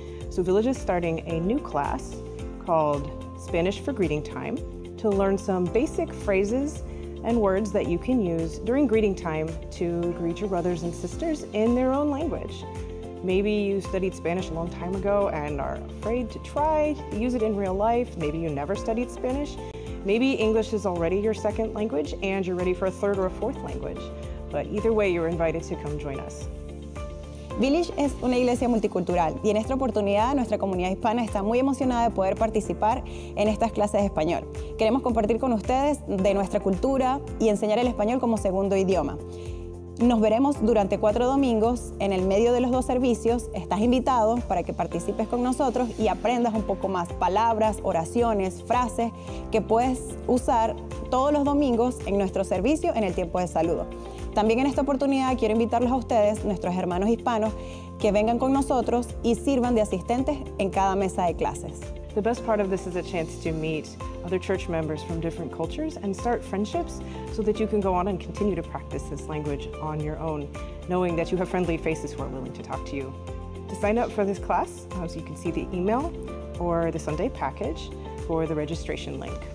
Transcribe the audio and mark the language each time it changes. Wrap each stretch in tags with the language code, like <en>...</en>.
<en>So Village is starting a new class called Spanish for Greeting Time to learn some basic phrases and words that you can use during greeting time to greet your brothers and sisters in their own language. Maybe you studied Spanish a long time ago and are afraid to try use it in real life. Maybe you never studied Spanish. Maybe English is already your second language and you're ready for a third or a fourth language. But either way, you're invited to come join us.</en> <es>Village es una iglesia multicultural y en esta oportunidad nuestra comunidad hispana está muy emocionada de poder participar en estas clases de español. Queremos compartir con ustedes de nuestra cultura y enseñar el español como segundo idioma. Nos veremos durante cuatro domingos en el medio de los dos servicios. Estás invitado para que participes con nosotros y aprendas un poco más palabras, oraciones, frases que puedes usar todos los domingos en nuestro servicio en el tiempo de saludo. También en esta oportunidad quiero invitarlos a ustedes, nuestros hermanos hispanos, que vengan con nosotros y sirvan de asistentes en cada mesa de clases.</es> <en>The best part of this is a chance to meet other church members from different cultures and start friendships so that you can go on and continue to practice this language on your own, knowing that you have friendly faces who are willing to talk to you. To sign up for this class, as you can see the email or the Sunday package for the registration link.</en>